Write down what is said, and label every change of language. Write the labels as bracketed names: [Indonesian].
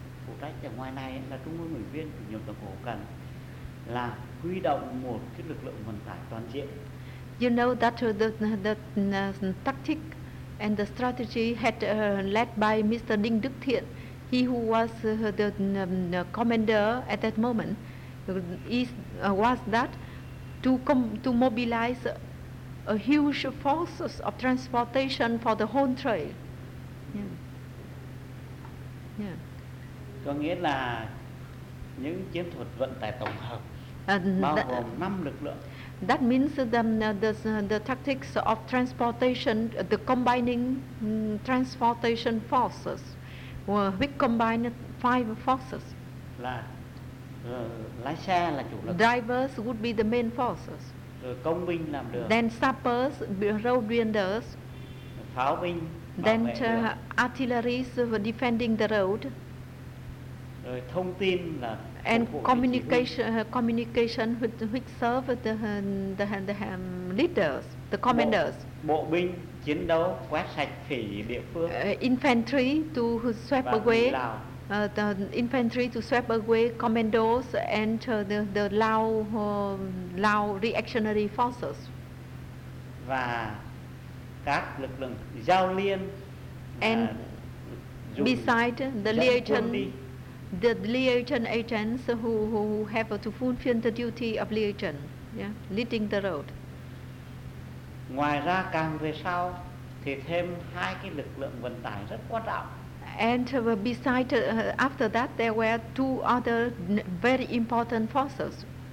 [Vietnamese] phụ trách ở ngoài này là trung ương ủy viên chủ nhiệm tổng cục cần là huy động một cái lực lượng vận tải toàn diện. [English] You know that the tactic and the strategy had led by Mr. Đinh Đức Thiện, he who was the commander at that moment, was that to mobilize a huge forces of transportation for the whole trail. [Vietnamese] Có nghĩa là những chiến thuật vận tải tổng hợp bao gồm 5 lực lượng. [English] That means the tactics of transportation, the combining transportation forces, which combine 5 forces. [Vietnamese] Là lái xe là chủ lực. [English] Drivers would be the main forces. [Vietnamese] Rồi công binh làm đường. [English] Then sappers, road vendors. [Vietnamese] Pháo binh. [English] Then artillery defending the road. [Vietnamese] Rồi thông tin là. [English] And communication which serve the leaders, the commanders. [Vietnamese] Bộ binh chiến đấu quét sạch phỉ địa phương. [English] Infantry to sweep away. The infantry to sweep away commandos and the Lao Lao reactionary forces. [Vietnamese] Và các lực lượng giao liên. [English] And beside the liaison, the liaison agents who have to fulfill the duty of liaison, leading the road. [Vietnamese] Ngoài ra càng về sau thì thêm hai cái lực lượng vận tải rất quan trọng. [English] And besides, after that, there were two other very important forces.